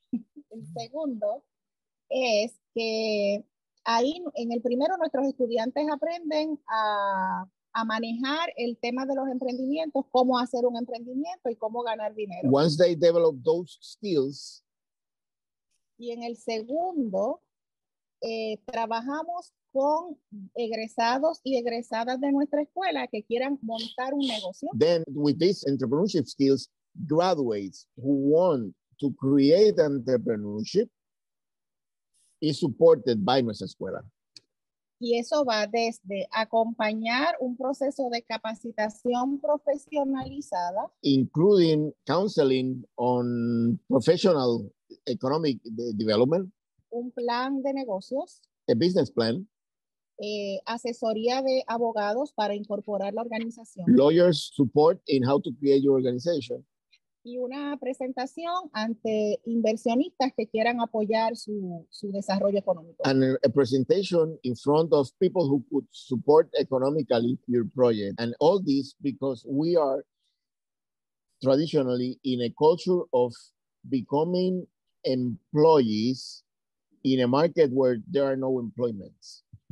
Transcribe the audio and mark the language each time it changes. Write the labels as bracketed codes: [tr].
[es] El segundo es que ahí en el primero nuestros estudiantes aprenden a manejar el tema de los emprendimientos, cómo hacer un emprendimiento y cómo ganar dinero. [en] Once they develop those skills. [es] Y en el segundo, trabajamos con egresados y egresadas de nuestra escuela que quieran montar un negocio. [en] Then with these entrepreneurship skills, graduates who want to create entrepreneurship is supported by Nuestra Escuela. [es] Y eso va desde acompañar un proceso de capacitación profesionalizada, [en] including counseling on professional economic development, [es] un plan de negocios, [en] a business plan, [es] asesoría de abogados para incorporar la organización, [en] lawyers support in how to create your organization, [es] y una presentación ante inversionistas que quieran apoyar su desarrollo económico. [en] And a presentation in front of people who could support economically your project. And all this because we are traditionally in a culture of becoming employees in a market where there are no employments.